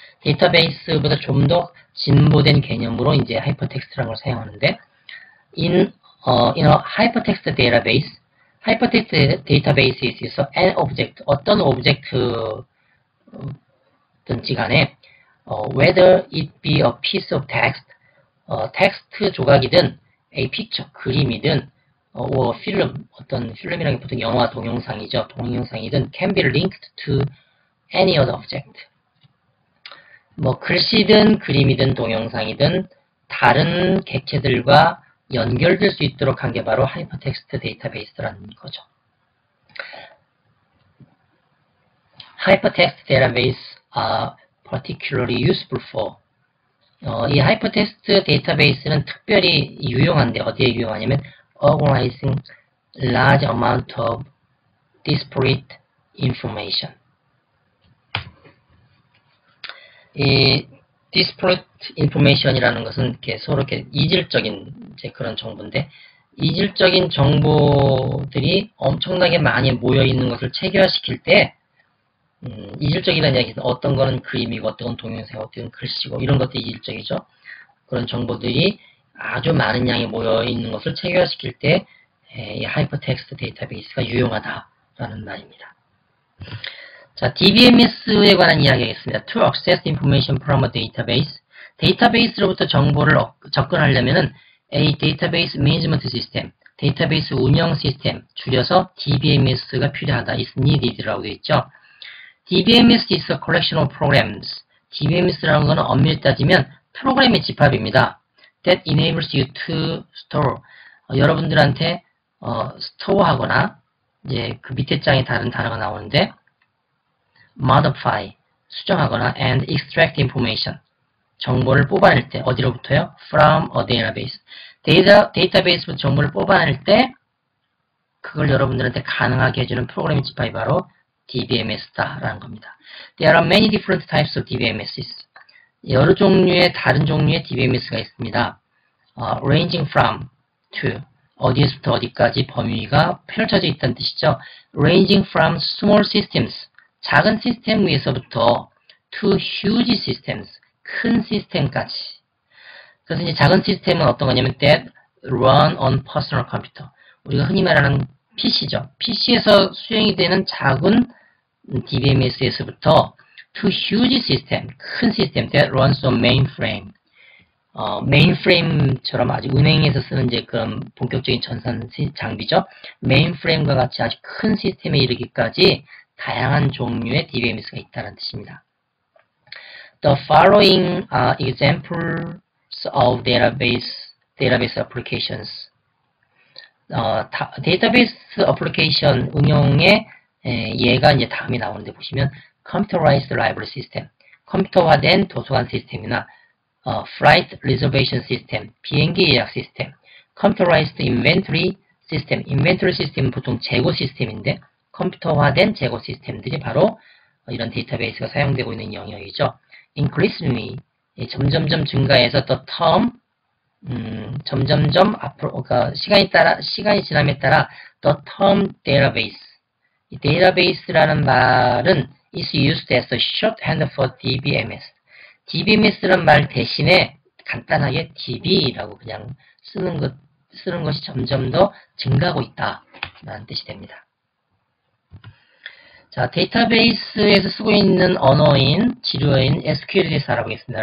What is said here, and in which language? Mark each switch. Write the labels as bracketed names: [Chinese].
[Korean] 데이터베이스보다 좀 더 진보된 개념으로 이제 하이퍼텍스트라는 걸 사용하는데 [English] in a hypertext database, [Korean] hypertext database에 있어서 [English] an object, [Korean] 어떤 object든지 간에, [English] whether it be a piece of text, [Korean] text 조각이든, [English] a picture, [Korean] 그림이든, [English] or film, [Korean] 어떤 film이라는 게 보통 영화 동영상이죠. 동영상이든, [English] can be linked to any other object. [Korean] 뭐, 글씨든, 그림이든, 동영상이든, 다른 객체들과 연결될 수 있도록 한 게 바로 하이퍼텍스트 데이터베이스라는 거죠. 하이퍼텍스트 데이터베이스 [English] are particularly useful for [Korean] 이 하이퍼텍스트 데이터베이스는 특별히 유용한데 어디에 유용하냐면 [English] organizing large amount of disparate information. [Korean] 이 disparate information이라는 것은 이렇게 서로 이렇게 이질적인 이제 그런 정보인데 이질적인 정보들이 엄청나게 많이 모여 있는 것을 체계화시킬 때 이질적이라는 이야기는 어떤 거는 그림이고 어떤 건 동영상, 어떤 건 글씨고 이런 것도 이질적이죠. 그런 정보들이 아주 많은 양이 모여 있는 것을 체계화시킬 때 이 하이퍼텍스트 데이터베이스가 유용하다라는 말입니다. 자, DBMS에 관한 이야기하겠습니다. [English] To access information from a database. [Korean] 데이터베이스로부터 정보를 접근하려면은 [English] A database management system. [Korean] 데이터베이스 운영 시스템. 줄여서 DBMS가 필요하다. [English] It's needed [Korean] 라고 되어 있죠. [English] DBMS is a collection of programs. [Korean] DBMS라는 것은 엄밀히 따지면 프로그램의 집합입니다. [English] That enables you to store. [Korean] 여러분들한테, store 하거나, 이제 그 밑에 장에 다른 단어가 나오는데, modify, 수정하거나, [English] and extract information. [Korean] 정보를 뽑아낼 때, 어디로부터요? [English] From a database. [Korean] 데이터베이스부터 정보를 뽑아낼 때, 그걸 여러분들한테 가능하게 해주는 프로그램의 집합이 바로 DBMS다라는 겁니다. [English] There are many different types of DBMSs. [Korean] 여러 종류의 다른 종류의 DBMS가 있습니다. [English] Ranging from to, [Korean] 어디에서부터 어디까지 범위가 펼쳐져 있다는 뜻이죠. [English] Ranging from small systems. [Korean] 작은 시스템 위에서부터 [English] to huge systems, [Korean] 큰 시스템까지. 그래서 이제 작은 시스템은 어떤 거냐면 [English] that run on personal computer. [Korean] 우리가 흔히 말하는 PC죠. PC에서 수행이 되는 작은 DBMS에서부터 [English] to huge system, [Korean] 큰 시스템, [English] that runs on mainframe. [Korean] Mainframe처럼 아주 은행에서 쓰는 이제 그런 본격적인 전산 장비죠. Mainframe과 같이 아주 큰 시스템에 이르기까지 다양한 종류의 DBMS가 있다는 뜻입니다. [English] The following are examples of database applications. [Korean] 데이터베이스 어플리케이션 응용의 예가 이제 다음에 나오는데 보시면 Computerized Library System, 컴퓨터화된 도서관 시스템이나 Flight Reservation System, 비행기 예약 시스템, Computerized Inventory System, Inventory System은 보통 재고 시스템인데 컴퓨터화된 재고 시스템들이 바로 이런 데이터베이스가 사용되고 있는 영역이죠. [English] Increasingly, [Korean] 점점점 증가해서 [English] the term, [Korean] 점점점 앞으로, 그러니까 시간이 지남에 따라 [English] the term database, [Korean] 데이터베이스라는 말은 [English] is used as a shorthand for DBMS. [Korean] DBMS라는 말 대신에 간단하게 DB라고 그냥 쓰는 것이 점점 더 증가하고 있다. 라는 뜻이 됩니다. 자, 데이터베이스에서 쓰고 있는 언어인 지료인 SQL에 대해서 알아보겠습니다.